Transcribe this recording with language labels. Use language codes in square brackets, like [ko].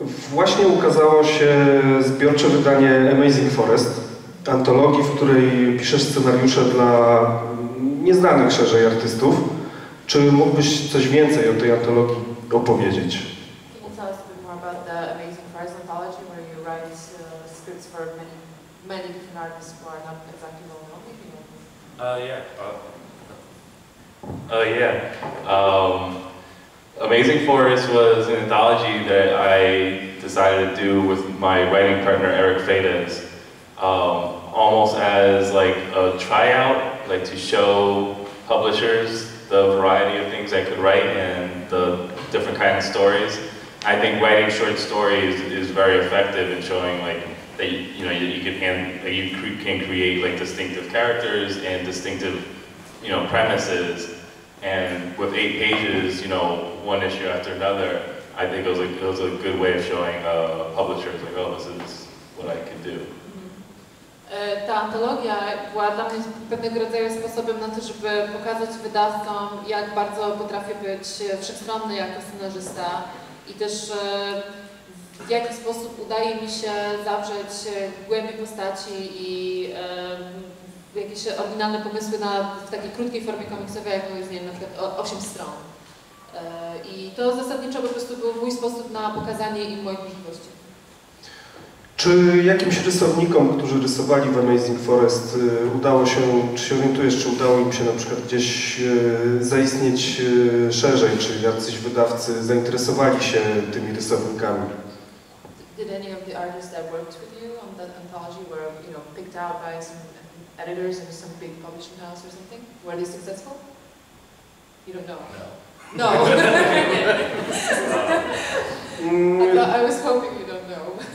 [pl] Właśnie ukazało się zbiorcze wydanie Amazing Forest, antologii, w której piszesz scenariusze dla nieznanych szerzej artystów. Czy mógłbyś coś więcej o tej antologii opowiedzieć? [en] Can you tell us a bit more about the Amazing Forest anthology, where you write scripts for many different artists who are not exactly well known? Amazing Forest was an anthology that I decided to do with my writing partner Eric Fadas, almost as like a tryout, like to show publishers the variety of things I could write and the different kinds of stories. I think writing short stories is very effective in showing like that you can create like distinctive characters and distinctive, you know, premises. And with 8 pages, you know, one issue after another, I think it was a good way of showing publishers, like, oh, this is what I can do. [pl] Ta antologia była dla mnie pewnego rodzaju sposobem na to, żeby pokazać wydawcom, jak bardzo potrafię być wszechstronny jako scenarzysta i też w jaki sposób udaje mi się zawrzeć głębi postaci i jakieś oryginalne pomysły na, w takiej krótkiej formie komiksowej, jak jest, nie wiem, na przykład 8 stron. I to zasadniczo po prostu był mój sposób na pokazanie im moich możliwości. Czy jakimś rysownikom, którzy rysowali w Amazing Forest, udało się, czy się orientujesz, czy udało im się na przykład gdzieś zaistnieć szerzej, czy jacyś wydawcy zainteresowali się tymi rysownikami? [en] Did any of the artists that worked with you on that anthology were, you know, picked out by some editors of some big publishing house or something? Were they successful? You don't know. No. No. I was hoping you don't know.